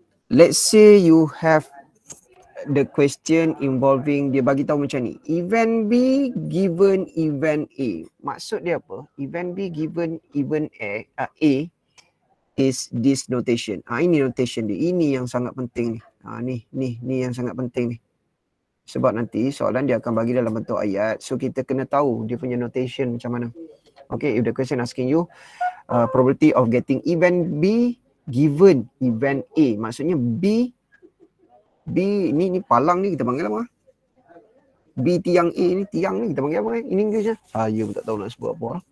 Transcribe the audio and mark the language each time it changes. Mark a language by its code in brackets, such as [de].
[en] Let's say you have the question involving, [ms] dia bagi tahu macam ni. [en] Event B given event A. [ms] Maksud dia apa? [en] Event B given event A is this notation. [ms] Ini notation dia. Ini yang sangat penting ni. Ni yang sangat penting ni. Sebab nanti soalan dia akan bagi dalam bentuk ayat. So kita kena tahu dia punya notation macam mana. [en] Okay, if the question asking you probability of getting event B given event A. [ms] Maksudnya B ni palang ni kita panggil apa? B tiang A ni tiang ni kita panggil apa? [en] In English [ms] lah. Saya pun tak tahu nak sebut apa.